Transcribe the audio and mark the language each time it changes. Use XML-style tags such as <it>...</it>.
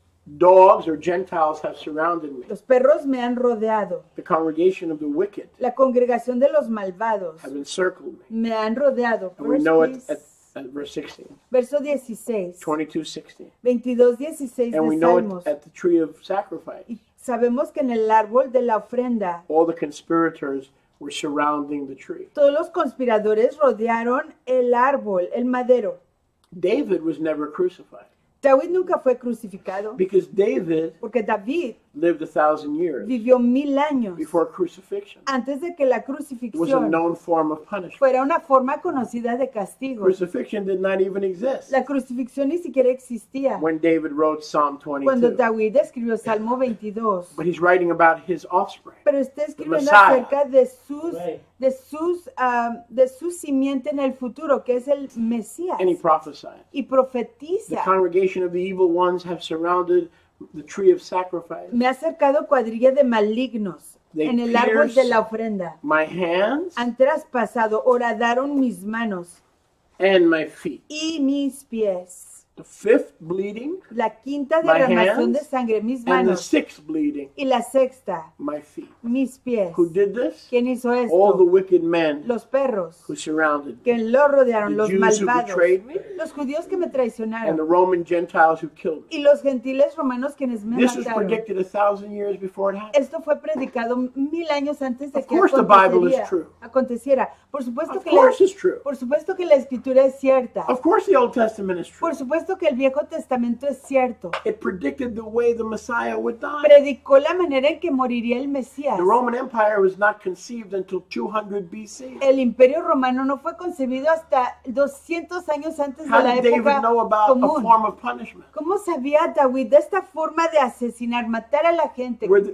<en>Dogs or Gentiles have surrounded me.</en> <es>Los perros me han rodeado.</es> <en>The congregation of the wicked.</en> <es>La congregación de los malvados.</es> <en>Have encircled me.</en> <es>Me han rodeado.</es> <en>And we know it at verse 16.</en> <es>Verso 16.</es> <en>22:16. And we know it at the tree of sacrifice.</en> <es>Y sabemos que en el árbol de la ofrenda.</es> <en>All the conspirators were surrounding the tree.</en> <es>Todos los conspiradores rodearon el árbol, el madero.</es> <en>David was never crucified.</en> <es>David nunca fue crucificado.</es> <en>Because David,</en> <es>porque David</es> <en>lived 1,000 years.</en> <es>Vivió 1,000 años</es> <en>before crucifixion.</en> <es>Antes de que la crucifixión</es> <en>was a known form of punishment.</en> <es>Fuera una forma conocida de castigo.</es> <en>Crucifixion did not even exist.</en> <es>La crucifixión ni siquiera existía.</es> <en>When David wrote Psalm 22.</en> <es>Cuando David escribió Salmo 22.</es> <en>But he's writing about his offspring.</en> <es>Pero está escribiendo acerca de su simiente en el futuro, que es el Mesías.</es> <en>And he prophesied.</en> <es>Y profetiza.</es> <en>The congregation of the evil ones have surrounded the tree of sacrifice.</en> <es>Me ha acercado cuadrilla de malignos</es> <en>they</en> <es>en el árbol de la ofrenda.</es> <en>My hands</en> <es>han traspasado, horadaron mis manos</es> <en>and my feet.</en> <es>Y mis pies.</es> <en>The fifth bleeding,</en> <es>la quinta derramación de sangre, mis manos.</es> <en>And the sixth bleeding,</en> <es>y la sexta,</es> <en>my feet.</en> <es>Mis pies.</es> <en>Who did this?</en> <es>¿Quién hizo esto?</es> <en>All the wicked men,</en> <es>los perros,</es> <en>who surrounded</en> <es>que lo rodearon,</es> <en>the</en> <es>los</es> <en>Jews</en> <es>malvados,</es> <en>who betrayed me,</en> <es>los judíos que me traicionaron,</es> <en>and the Roman Gentiles who killed me.</en> <es>Y los gentiles romanos quienes me</es> <en>this</en> <es>mataron.</es> <en>Was predicted 1,000 years before it happened.</en> <es>Esto fue predicado 1,000 años antes de</es> <en>of</en> <es>que</es> <en>course the Bible is true.</en> <es>Aconteciera. Por supuesto</es> <en>of</en> <es>que</es> <en>course</en> <es>la,</es> <en>it's true.</en> <es>Por supuesto que la escritura es cierta.</es> <en>Of course the Old Testament is true.</en> <es>Por supuesto que el Viejo Testamento es cierto.</es> <en>It predicted the way the Messiah would die.</en> <es>Predicó la manera en que moriría el Mesías.</es> <en>The Roman Empire was not conceived until 200 BC.</en> <es>El Imperio Romano no fue concebido hasta 200 años antes de la época común.</es> <en>How did David know about a form of punishment?</en> <es>¿Cómo sabía David de esta forma de asesinar, matar a la gente?</es>